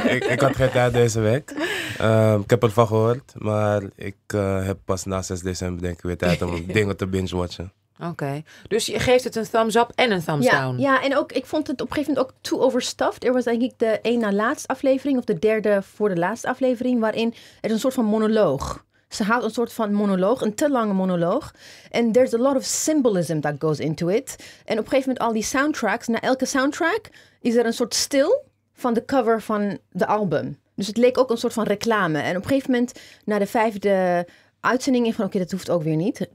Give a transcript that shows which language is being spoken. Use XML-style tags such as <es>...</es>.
<nl>ik had geen tijd deze week. Ik heb ervan gehoord, maar ik heb pas na 6 december denk ik weer tijd om dingen te binge-watchen. Oké. Dus je geeft het een thumbs up en een thumbs down. Ja, en ook ik vond het op een gegeven moment ook too overstuffed. Er was denk ik de een na laatste aflevering, of de derde voor de laatste aflevering, waarin er een soort van monoloog. Ze haalt een soort van monoloog, een te lange monoloog.</nl> <en>And there's a lot of symbolism that goes into it.</en> <nl>En op een gegeven moment al die soundtracks, na elke soundtrack is er een soort stil van de cover van de album. Dus het leek ook een soort van reclame. En op een gegeven moment, na de vijfde uitzending in van, oké, dat hoeft ook weer niet.</nl>